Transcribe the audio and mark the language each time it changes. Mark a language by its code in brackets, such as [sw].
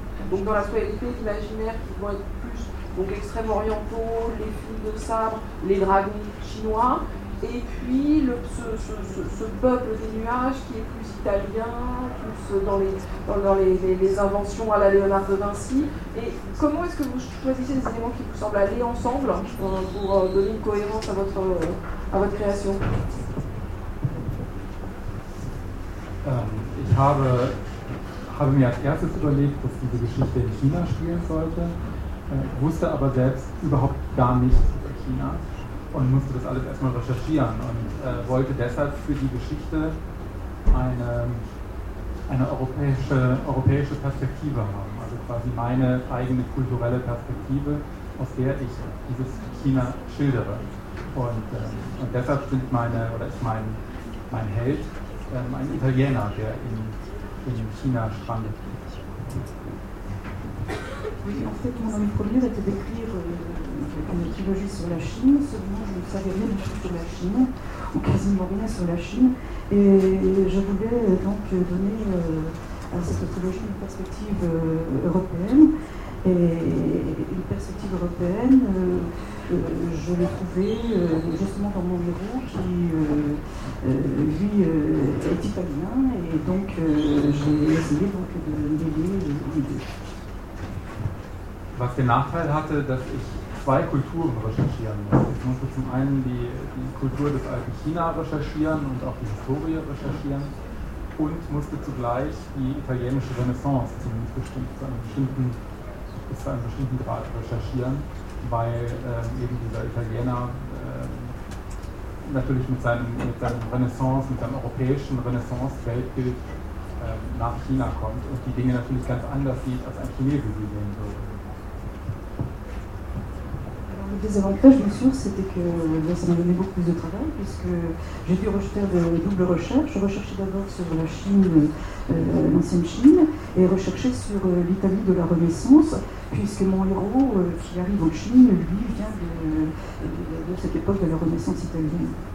[fr] donc dans la réalité imaginaire qui vont être plus donc extrêmes orientaux, les films de sabre, les dragons chinois, et puis ce peuple des nuages qui est plus italien, plus dans les inventions à la Léonard de Vinci. Et comment est-ce que vous choisissez des éléments qui vous semblent aller ensemble pour donner une cohérence à votre création? [de] Ich habe mir als erstes überlegt, dass diese Geschichte in China spielen sollte, wusste aber selbst überhaupt gar nichts über China und musste das alles erstmal recherchieren und wollte deshalb für die Geschichte eine europäische Perspektive haben, also quasi meine eigene kulturelle Perspektive, aus der ich dieses China schildere. Und deshalb sind mein Held ein Italiener, der in China strandet. [fr] Oui, en fait, mon envie première était d'écrire une trilogie sur la Chine. Seulement, je ne savais rien du tout sur la Chine, ou quasiment rien sur la Chine. Et je voulais donc donner à cette trilogie une perspective européenne. Et une perspective européenne, je l'ai trouvée justement dans mon héros qui, lui, est italien. Et donc, j'ai essayé donc, de mêler les deux. [de] Was den Nachteil hatte, dass ich zwei Kulturen recherchieren muss. Ich musste zum einen die Kultur des alten China recherchieren und auch die Historie recherchieren und musste zugleich die italienische Renaissance zu einem bestimmten Grad recherchieren, weil eben dieser Italiener natürlich mit seinem europäischen Renaissance-Weltbild nach China kommt und die Dinge natürlich ganz anders sieht, als ein Chinese sie sehen würde. [fr] Le désavantage, bien sûr, c'était que là, ça m'a donné beaucoup plus de travail, puisque j'ai dû rejeter de double recherche. Je recherchais d'abord sur la Chine, l'ancienne Chine, et rechercher sur l'Italie de la Renaissance, puisque mon héros, qui arrive en Chine, lui, vient de cette époque de la Renaissance italienne.